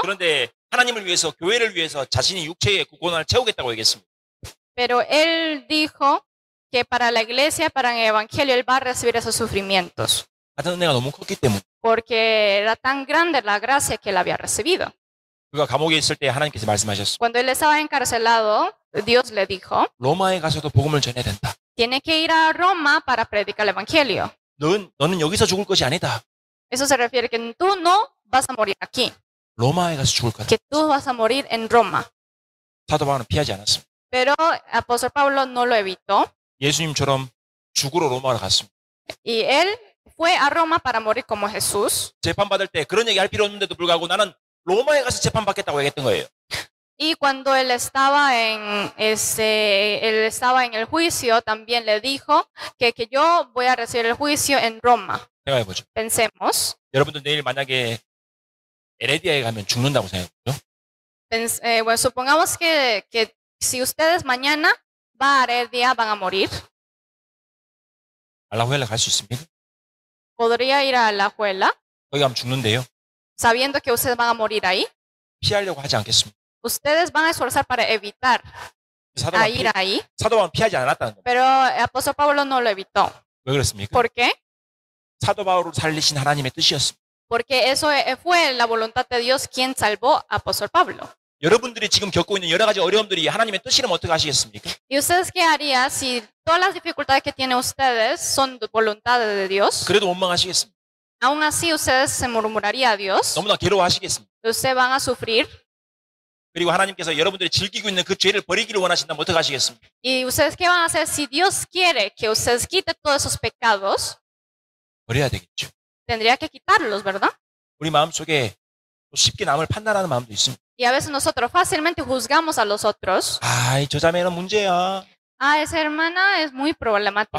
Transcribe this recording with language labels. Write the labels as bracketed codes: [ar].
[ko] 그런데 하나님을 위해서, 교회를 위해서 자신이 육체의 그 고난을 채우겠다고 얘기했습니다. [es] Pero él dijo que para la iglesia, para el evangelio, él va a recibir esos sufrimientos. [ko] 받은 은혜가 너무 컸기 때문에. [es] Porque era tan grande la gracia que él había recibido. [ko] 그가 감옥에 있을 때 하나님께서 말씀하셨습니다. [es] Cuando él estaba encarcelado, Dios le dijo. [ko] 로마에 가서도 복음을 전해야 된다. [es] Tiene que ir a Roma para predicar el evangelio. [ko] 너는 여기서 죽을 것이 아니다. [es] Eso se refiere que tú no vas a morir aquí. [ko] 로마에 가서 죽을 것 같다. [es] Que tú vas a morir en Roma. [ko] 사도 바울은 피하지 않았습니다. [es] Pero apóstol Pablo no lo evitó. [ko] 예수님처럼 죽으러 로마로 갔습니다. [es] Y él fue a Roma para morir como Jesús. [ko] 재판 받을 때 그런 얘기 할 필요 없는데도 불구하고 나는 로마에 가서 재판 받겠다고 얘기했던 거예요. [es] Y cuando él estaba en ese él estaba en el juicio también le dijo que yo voy a recibir el juicio en Roma. [ko] 생각해 보죠. [es] Pensemos. [ko] 여러분들 내일 만약에 에레디아에 가면 죽는다고 생각해요. [es] Bueno, supongamos que si ustedes mañana va a Heredia van a morir. ¿A la Alajuela [ko] 갈 수 있습니까? [es] ¿Podría ir a la Alajuela? [ko] 거기 가면 죽는데요. [es] Sabiendo que ustedes van a morir ahí. [ko] 피하려고 하지 않겠습니다. [es] Ustedes van a esforzar para evitar a ir ahí. [ko] 사도 바울은 피하지 않았다는 거예요. [es] Pero apóstol Pablo no lo evitó. [ko] 왜 그랬습니까? [es] ¿Por qué? [ko] 사도 바울을 살리신 하나님의 뜻이었습니다. [es] Porque eso fue la voluntad de Dios quien salvó a apóstol Pablo. [ko] 여러분들이 지금 겪고 있는 여러 가지 어려움들이 하나님의 뜻이라면 어떻게 하시겠습니까? [es] ¿Y ustedes qué haría si todas las dificultades que tienen ustedes son voluntad de Dios? [ko] 그래도 원망하시겠습니까? [es] Aún así ustedes se murmuraría a Dios. [ko] 너무나 괴로워하시겠습니까? [es] Ustedes van a sufrir. [ko] 그리고 하나님께서 여러분들이 즐기고 있는 그 죄를 버리기를 원하신다면 어떻게 하시겠습니까? [es] ¿Y ustedes qué van a hacer si Dios quiere que ustedes quiten todos esos pecados? [ko] 버려야 되겠죠. [es] Tendría que quitarlos, ¿verdad? [ko] 우리 마음속에 쉽게 남을 판단하는 마음도 있습니다. [es] Y a veces nosotros fácilmente juzgamos a los otros. [ko] Ay, 저 자매는 문제야. [es] Ah, esa hermana es muy problemática.